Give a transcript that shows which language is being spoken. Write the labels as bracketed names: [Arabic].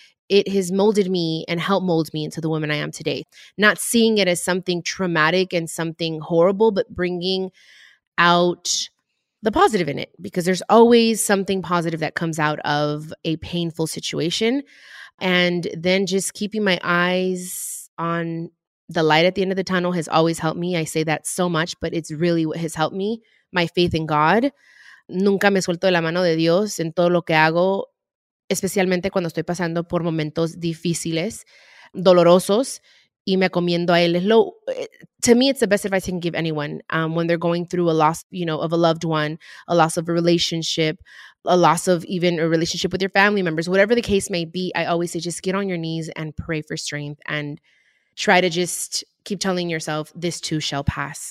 [English] It has molded me and helped mold me into the woman I am today. Not seeing it as something traumatic and something horrible, but bringing out the positive in it, because there's always something positive that comes out of a painful situation. And then just keeping my eyes on the light at the end of the tunnel has always helped me. I say that so much, but it's really what has helped me. My faith in God. [Spanish] Nunca me suelto de la mano de Dios en todo lo que hago, especialmente cuando estoy pasando por momentos difíciles, dolorosos. Y me comiendo a él. [English] To me, it's the best advice I can give anyone when they're going through a loss, you know, of a loved one, a loss of a relationship, a loss of even a relationship with your family members, whatever the case may be. I always say, just get on your knees and pray for strength and try to just keep telling yourself, this too shall pass.